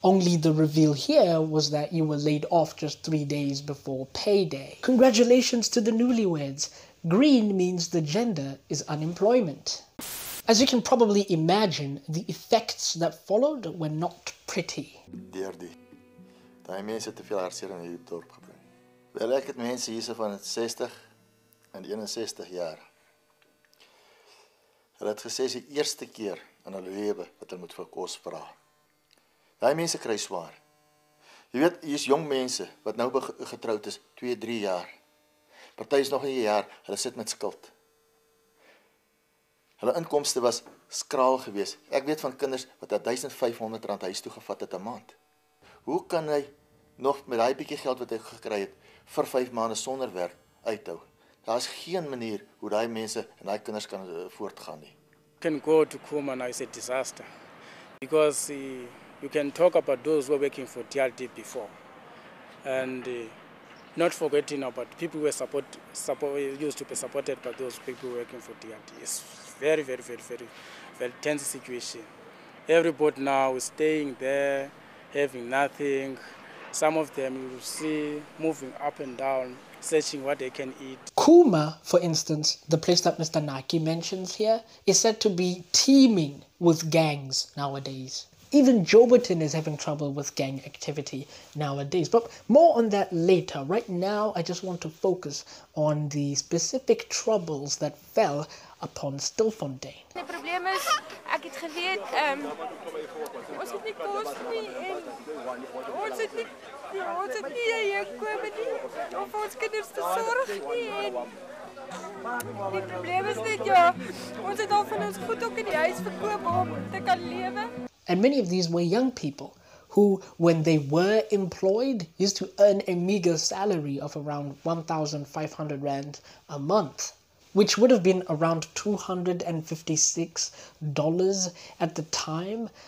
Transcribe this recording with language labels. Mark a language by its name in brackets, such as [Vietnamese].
[English] Only the reveal here was that you were laid off just 3 days before payday. Congratulations to the newlyweds. Green means the gender is unemployment. As you can probably imagine, the effects that followed were not pretty. [Afrikaans] DRD. Daai mense het te veel hartseer in hierdie dorp gebring. Wel, ek het mense hierse van 60 en 61 jaar. Hulle het gesê, is die eerste keer in hulle lewe wat hulle moet vir kos vra. Daai mense kry swaar. Jy weet, hier is jong mense wat nou getroud is, 2-3 jaar. Party is nog nie 'n jaar, hulle sit met skuld. Hulle inkomste was skraal geweest. Ek weet van kinders wat R1500 huis toe gevat het 'n maand. Hoe kan hy nog met daai bietjie geld wat hy gekry het vir 5 maande sonder werk uithou? Daar is geen manier hoe daai mense en daai kinders kan voortgaan nie. [English] Can go to Kuma now is a disaster. Because you can talk about those who were working for TLD before. And not forgetting about people who were used to be supported by those people working for TLD. It's very, very, very, very, very tense situation. Everybody now is staying there, having nothing. Some of them you will see moving up and down, searching what they can eat. Kuma, for instance, the place that Mr. Naki mentions here, is said to be teeming with gangs nowadays. Even Jouberton is having trouble with gang activity nowadays. But more on that later. Right now, I just want to focus on the specific troubles that fell upon Stilfontein. The problem is, [Afrikaans] ek het geweet, ons het nie kos nie, en ons het nie aankoop nie, of ons kinders te sorg nie, en die probleem is dit, ja, ons het al van ons goed ook in die huis verkoop om te kan lewe. [English] And many of these were young people who, when they were employed, used to earn a meager salary of around 1,500 rand a month, which would have been around $256 at the time.